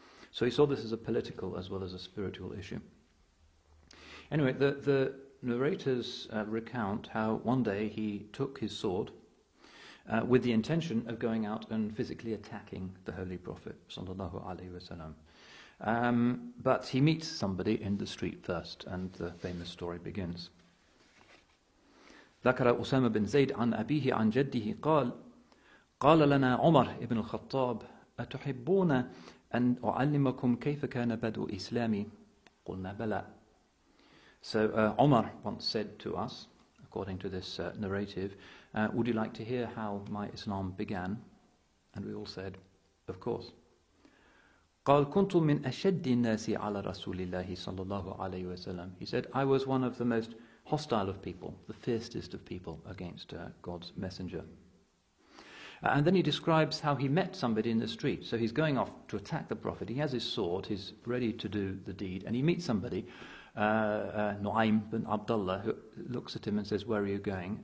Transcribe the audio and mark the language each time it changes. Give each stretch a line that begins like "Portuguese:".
English: So he saw this as a political as well as a spiritual issue. Anyway, the narrators recount how one day he took his sword with the intention of going out and physically attacking the Holy Prophet sallallahu alaihi wasallam. But he meets somebody in the street first, and the famous story begins.
Arabic: ذكر أسامة بن زيد عن أبيه عن جده قال قال لنا عمر بن الخطاب أتحبون أن أعلمكم كيف كان بدء إسلامي قلنا بلى.
English: So Umar once said to us, according to this narrative, would you like to hear how my Islam began? And we all said, of course.
Arabic: قال كنت من أشد الناس على رسول الله صلى الله عليه وسلم.
English: He said, I was one of the most hostile of people, the fiercest of people against God's messenger. And then he describes how he met somebody in the street. So he's going off to attack the Prophet. He has his sword, he's ready to do the deed, and he meets somebody, Nu'aym bin Abdullah, who looks at him and says, where are you going?